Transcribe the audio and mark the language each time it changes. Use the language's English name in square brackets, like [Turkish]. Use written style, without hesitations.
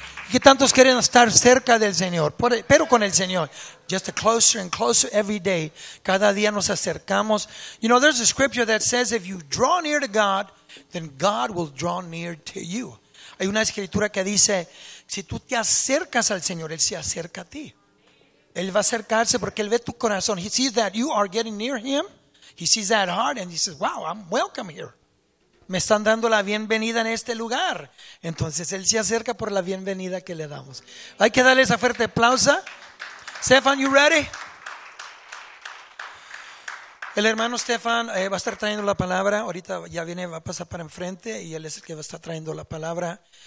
[Spanish] Que tantos quieren estar cerca del Señor, pero con el Señor. [English] Just closer and closer every day. [Spanish] Cada día nos acercamos. [English] You know, there's a scripture that says if you draw near to God, then God will draw near to you. [Spanish] Hay una escritura que dice, si tú te acercas al Señor, Él se acerca a ti. Él va a acercarse porque Él ve tu corazón. [English] He sees that you are getting near Him. He sees that heart and he says, wow, I'm welcome here. [Spanish] Me están dando la bienvenida en este lugar. Entonces Él se acerca por la bienvenida que le damos. Hay que darle esa fuerte aplauso. Stefan, [English] you ready? [Spanish] El hermano Stefan va a estar trayendo la palabra. Ahorita ya viene, va a pasar para enfrente y él es el que va a estar trayendo la palabra.